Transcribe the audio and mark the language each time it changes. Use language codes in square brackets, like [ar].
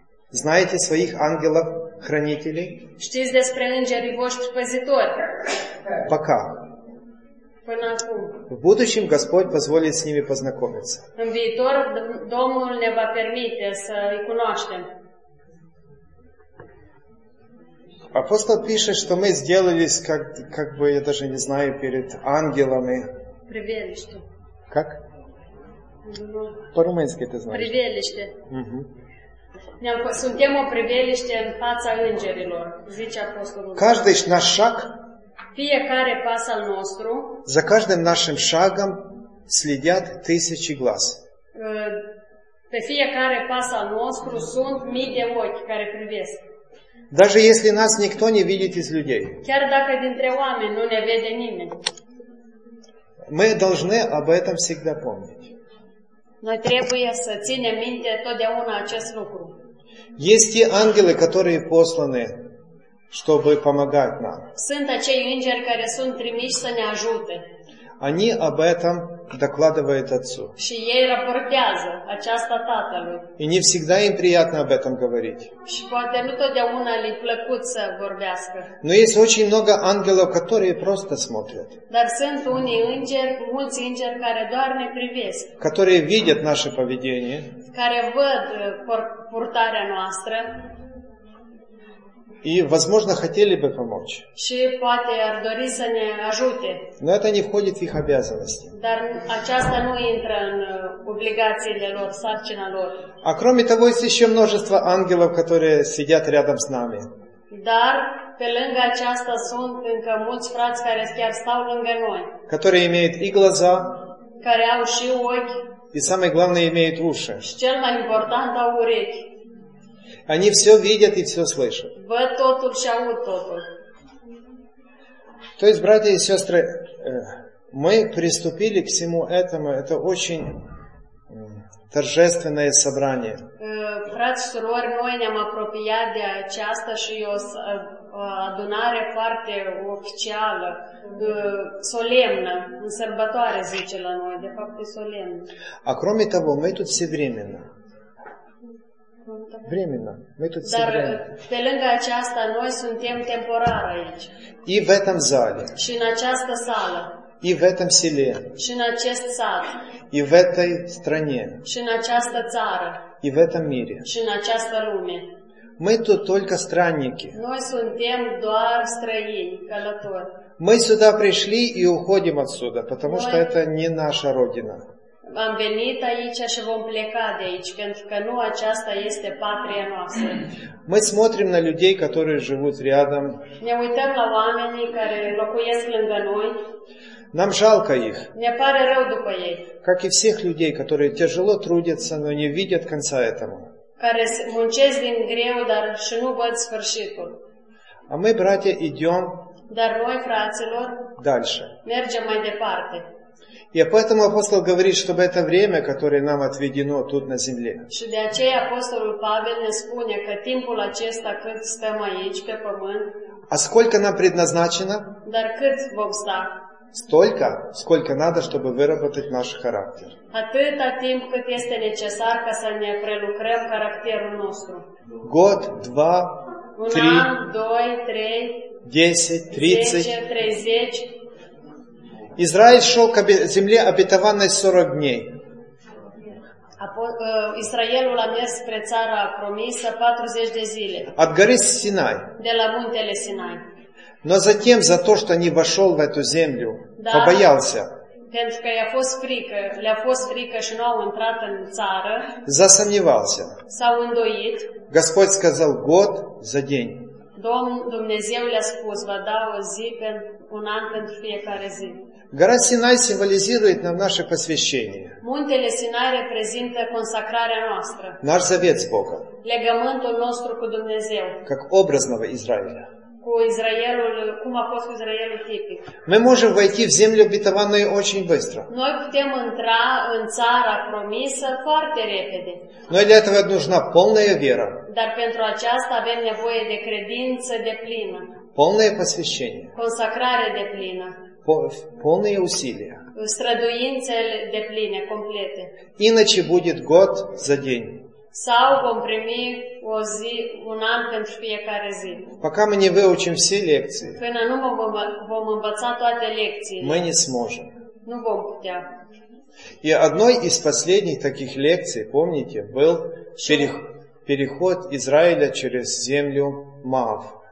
[ru] Знаете своих ангелов-хранителей? [ro] Știți despre îngerii voștri păzitori? [ru] Пока. В будущем Господь позволит с ними познакомиться. [ro] În viitor Domnul ne va permite să îi cunoaștem. [ru] Апостол пишет, что мы сделались как бы я даже не знаю перед ангелами. Привелище. Как? По-румынски это значит. Привелище. Угу. [ro] Suntem o privelище în fața îngerilor, zice apostolul. [ru] Каждый наш шаг. [ro] Fiecare pas al nostru. [ru] За каждым нашим шагом следят тысячи глаз. [ro] Pe fiecare pas al nostru sunt mii de ochi care privesc. [ru] Даже если нас никто не видит из людей. [ro] Chiar dacă dintre oameni nu ne vede nimeni. [ru] Мы должны об этом всегда помнить. [ro] Noi trebuie să ținem minte totdeauna acest lucru. [ru] Есть те ангелы, которые посланы, чтобы помогать нам. [ro] Sunt acei îngeri care sunt trimiși să ne ajute. [ru] Они об этом докладывают Отцу. [ro] Și ei raportează aceasta Tatălui. [ru] И не всегда им приятно об этом говорить. [ro] Și poate nu totdeauna le-i plăcut să vorbească. [ru] Но есть очень много ангелов, которые просто смотрят. [ro] Dar sunt unii îngeri, mulți îngeri care doar ne privesc. [ru] Которые видят наше поведение. [ro] Care văd purtarea noastră. [ru] И, возможно, хотели бы помочь. [ro] Și poate ar dori să ne ajute. [ru] Но это не входит в их обязанности. [ro] Dar aceasta nu intră în obligațiile lor, sarcina lor. [ru] А кроме того, есть еще множество ангелов, которые сидят рядом с нами. [ro] Dar pe lângă aceasta sunt încă mulți frați care chiar stau lângă noi. [ru] Которые имеют и глаза. [ro] Care au și ochi. [ru] И самое главное, имеют уши. [ro] Și cel mai important, au urechi. [ru] Они все видят и все слышат. [ro] Văd totul și aud totul. [ru] То есть, братья и сестры, мы приступили к всему этому. Это очень торжественное собрание. [ro] Frați și surori, noi ne-am apropiat de aceasta și o adunare foarte oficială, solemnă, în sărbătoare, zice la noi. De fapt, e solemnă. [ru] А кроме того, мы тут все временно. Временно. Мы тут все временно. [ro] Pe lângă aceasta, noi suntem temporar aici. [ru] И в этом зале. [ro] Și în această sală. [ru] И в этом селе. [ro] Și în acest sat. [ru] И в этой стране. [ro] Și în această țară. [ru] И в этом мире. [ro] Și în această lume. [ru] Мы тут только странники. [ro] Noi suntem doar străini, călători. [ru] Мы сюда пришли и уходим отсюда, потому [ro] noi... [ru] что это не наша родина. [ro] Am venit aici și vom pleca de aici, pentru că nu aceasta este patria noastră. [ru] Мы смотрим на людей, которые живут рядом. [ro] Ne uităm la oamenii care locuiesc lângă noi. [ru] Нам жалко их. [ro] Ne pare rău după ei. [ru] Как и всех людей, которые тяжело трудятся, но не видят конца этому. [ro] Care muncesc din greu, dar și nu văd sfârșitul. [ru] А мы, братья, идем. [ro] Dar noi, fraților, [ru] дальше. [ro] Mergem mai departe. [ru] И поэтому апостол говорит, чтобы это время, которое нам отведено тут на земле. [ro] Și de aceea apostolul Pavel ne spune că timpul acesta cât stăm aici pe pământ. [ru] А сколько нам предназначено? [ro] Dar cât vom sta? [ru] Столько, сколько надо, чтобы выработать наш характер. [ro] Atâta timp cât este necesar ca să ne prelucrăm caracterul nostru. [ru] Год, два, три. [ro] Un an, doi, trei. [ru] Десять, тридцать. [ro] 30. [ru] Израиль шел к земле обетованной 40 дней. [ro] Израилу la mers spre țara promisă 40 de zile. [ru] От горы Синай. [ro] De la muntele Sinai. [ru] Но затем за то, что не вошел в эту землю, [ro] da, [ru] побоялся. [ro] Pentru că i-a fost frică, le-a fost frică și nu au intrat în țară. [ru] Засомневался. [ro] S-au îndoit. [ru] Господь сказал год за день. [ro] Dumnezeu le-a spus, vă dau o zi pentru un an pentru fiecare zi. [ru] Гора Синай символизирует нам наше посвящение. [ro] Muntele Sinai reprezintă consacrarea noastră. [ru] Наш завет с Богом. [ro] Legământul nostru cu Dumnezeu. [ru] Как образного Израиля. [ro] Cu Израилul, cum a fost cu Израилul tipic. [ru] Мы можем войти в землю обетованную очень быстро. [ro] Noi putem intra în țara promisă foarte repede. [ru] Но для этого нужна полная вера. [ro] Dar pentru aceasta avem nevoie de credință deplină. [ru] Полное посвящение. [ro] Consacrare deplină. [ru] Полные усилия. [ro] Străduințe depline, complete. [ru] Иначе будет год за день. [ro] Sau vom primi o zi, un an pentru fiecare zi. [ru] Пока мы не выучим все лекции. [ro] Până nu vom învăța toate lecțiile. [ru] Мы не сможем. [ro] Nu vom putea. [ru] И одной из последних таких лекций, помните, был переход Израиля через землю Маав.